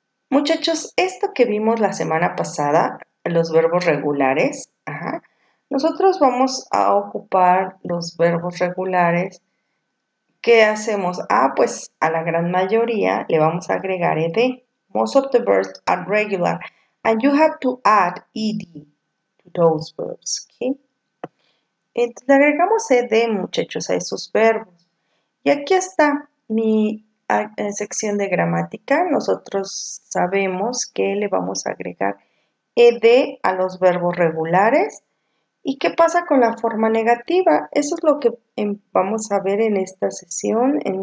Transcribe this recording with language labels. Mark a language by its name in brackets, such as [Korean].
[Spanish] Muchachos, esto que vimos la semana pasada, los verbos regulares, nosotros vamos a ocupar los verbos regulares. ¿Qué hacemos? Pues a la gran mayoría le vamos a agregar ed. [English] Most of the verbs are regular. And you have to add ed to those verbs. [Spanish] ¿Okay? Entonces agregamos ed, muchachos, a esos verbos. Y aquí está mi sección de gramática, nosotros sabemos que le vamos a agregar ed a los verbos regulares. ¿Y qué pasa con la forma negativa? Eso es lo que vamos a ver en esta sesión.